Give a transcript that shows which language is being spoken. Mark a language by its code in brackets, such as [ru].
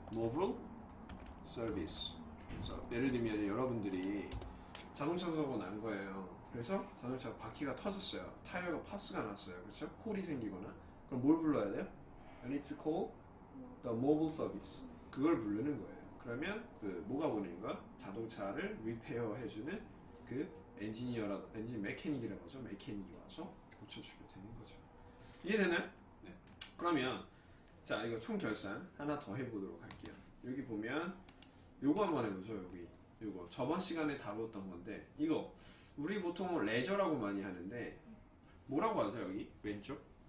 [ko] 모블 서비스. 그래서 예를 들면 여러분들이 자동차 사고 난 거예요. 그래서 자동차 바퀴가 터졌어요. 타이어가 파스가 났어요. 그렇죠? 홀이 생기거나. 그럼 뭘 불러야 돼요? [en] I need to call the mobile service. [ko] 그걸 부르는 거예요. 그러면 그 뭐가 보내는 거야? 자동차를 리페어 해주는 그 엔지니어라도 엔진 메케닉이라고 하죠. 메케닉이 와서 고쳐주게 되는 거죠. 이해되나요? 네. 그러면 자 이거 총결산 하나 더 해보도록 할게요. 여기 보면 요거 한번 해보죠. 여기 요거 저번 시간에 다루었던 건데 이거 우리 보통 레저라고 많이 하는데 뭐라고 하죠 여기 왼쪽?